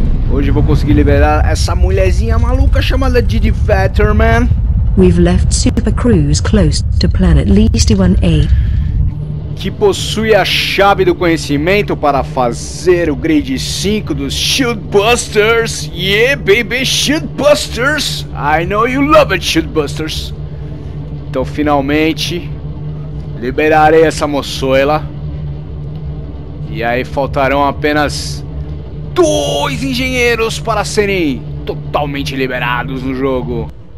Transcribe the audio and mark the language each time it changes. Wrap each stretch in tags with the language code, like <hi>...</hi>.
<pt>Hoje eu vou conseguir liberar essa mulherzinha maluca chamada Gigi Vetterman.</pt> <en>We've left Super Cruise close to planet Leasty-1A.</en> <pt>Que possui a chave do conhecimento para fazer o grade 5 dos Shieldbusters.</pt> <en>Yeah, baby, Shieldbusters! I know you love it, Shieldbusters.</en> <pt>Então finalmente liberarei essa moçoela. E aí faltarão apenas 2 engenheiros para serem totalmente liberados no jogo.</pt>